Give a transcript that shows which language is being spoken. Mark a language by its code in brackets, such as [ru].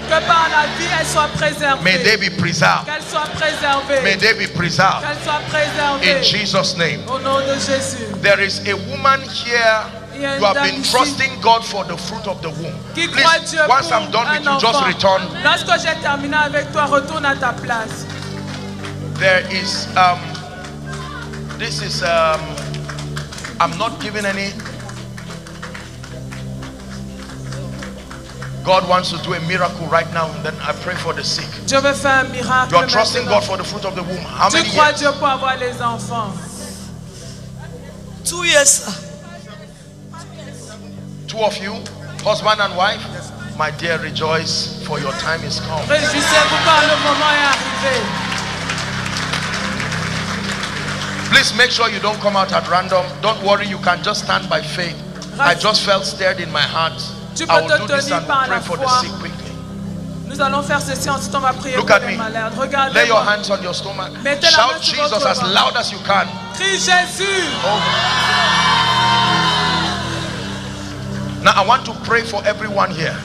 [fr] Que par la vie, elle soit préservée. [en] May they be preserved. [fr] Qu'elle soit préservée. [en] May they be preserved. [fr] Qu'elle soit préservée. [en] In Jesus' name. [fr] Au nom de Jésus. [en] There is a woman here. You have been trusting God for the fruit of the womb. Please, once I'm done with you, just return. [fr] Lorsque j'ai terminé avec toi, retourne à ta place. [en] There is this is I'm not giving any. God wants to do a miracle right now, and then I pray for the sick. [fr] Je veux faire un miracle. [en] You are trusting God for the fruit of the womb. How many years? [fr] Tu crois Dieu pour avoir les enfants? [en] 2 years. Two of you, husband and wife, my dear, rejoice for your time is come. [fr] Réjouissez-vous car le moment est arrivé. [en] Please make sure you don't come out at random. Don't worry, you can just stand by faith. I just felt stirred in my heart. [fr] Tu peux te tenir par la foi. Nous allons faire ceci, ensuite on va prier pour les malades. Regardez. [en] Lay your hands on your stomach. [fr] Mettez la main sur votre ventre. [en] As loud as you can. [fr] Crie Jésus. [en] Now I want to pray for everyone here.